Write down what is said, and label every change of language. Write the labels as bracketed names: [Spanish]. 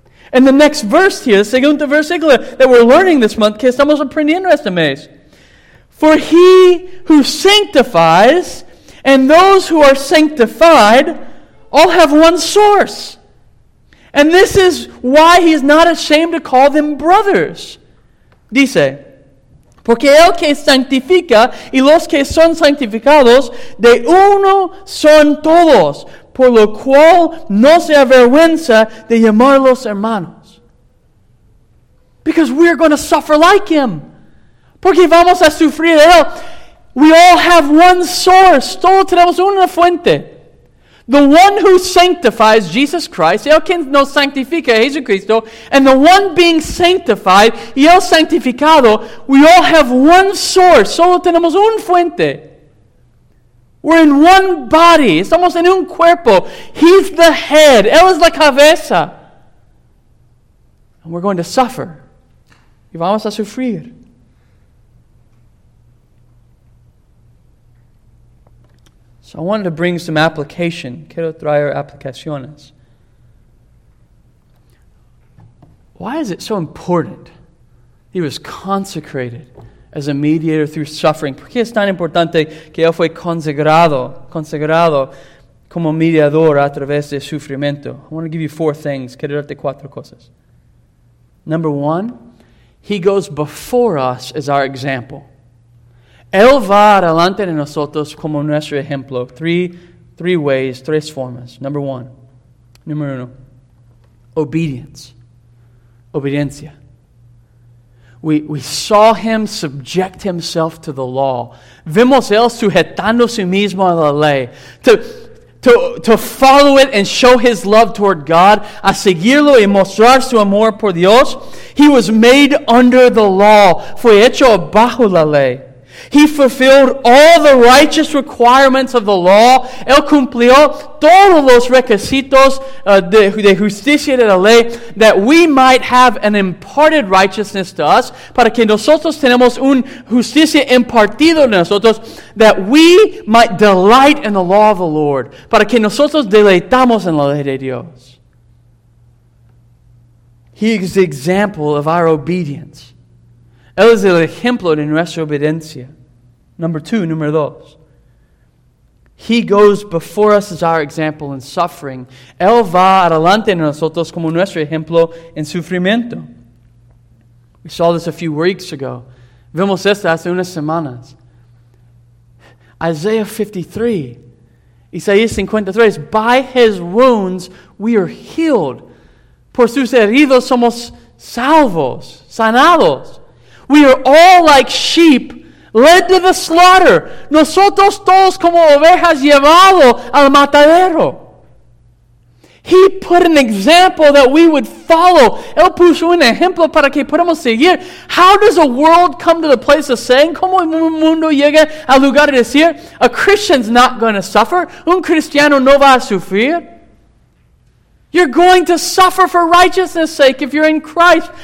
[English] And the next verse here, the segundo versículo that we're learning this month, [Spanish] que estamos aprendiendo este mes. [English] For he who sanctifies and those who are sanctified all have one source. And this is why he is not ashamed to call them brothers. [Spanish] Dice, porque el que santifica y los que son santificados de uno son todos, por lo cual no se avergüenza de llamarlos hermanos. [English] Because we are going to suffer like him. [Spanish] Porque vamos a sufrir de él. [English] We all have one source. [Spanish] Todos tenemos una fuente. [English] The one who sanctifies, Jesus Christ, [Spanish] el quien nos sanctifica, Jesucristo, [English] and the one being sanctified, [Spanish] y el santificado, [English] we all have one source. [Spanish] Solo tenemos un fuente. [English] We're in one body. [Spanish] Estamos en un cuerpo. [English] He's the head. [Spanish] Él es la cabeza. [English] And we're going to suffer. [Spanish] Y vamos a sufrir. [English] So I wanted to bring some application. [Spanish] Quiero traer aplicaciones. [English] Why is it so important? He was consecrated as a mediator through suffering. [Spanish] ¿Por qué es tan importante que él fue consagrado como mediador a través de sufrimiento? [English] I want to give you four things. [Spanish] Quiero darte cuatro cosas. [English] Number one, he goes before us as our example. [Spanish] Él va adelante de nosotros como nuestro ejemplo. [English] Three ways, [Spanish] tres formas. [English] Number one. [Spanish] Número uno. [English] Obedience. Obediencia. We saw him subject himself to the law. [Spanish] Vimos él sujetando su mismo a la ley. [English] To follow it and show his love toward God, [Spanish] a seguirlo y mostrar su amor por Dios, [English] he was made under the law. [Spanish] Fue hecho bajo la ley. [English] He fulfilled all the righteous requirements of the law. [Spanish] Él cumplió todos los requisitos de justicia de la ley [English] that we might have an imparted righteousness to us, [Spanish] para que nosotros tenemos un justicia impartido de nosotros, [English] that we might delight in the law of the Lord, [Spanish] para que nosotros deleitamos en la ley de Dios. [English] He is the example of our obedience. [Spanish] Él es el ejemplo de nuestra obediencia. [English] Number two, [Spanish] número dos. [English] He goes before us as our example in suffering. [Spanish] Él va adelante en nosotros como nuestro ejemplo en sufrimiento. [English] We saw this a few weeks ago. [Spanish] Vimos esto hace unas semanas. [English] Isaiah 53. Isaías 53. By his wounds we are healed. [Spanish] Por sus heridos somos salvos, sanados. [English] We are all like sheep led to the slaughter. [Spanish] Nosotros todos como ovejas llevado al matadero. [English] He put an example that we would follow. [Spanish] Él puso un ejemplo para que podamos seguir. [English] How does a world come to the place of saying, [Spanish] como el mundo llega al lugar de decir, [English] a Christian's not going to suffer. [Spanish] Un cristiano no va a sufrir. [English] You're going to suffer for righteousness' sake if you're in Christ.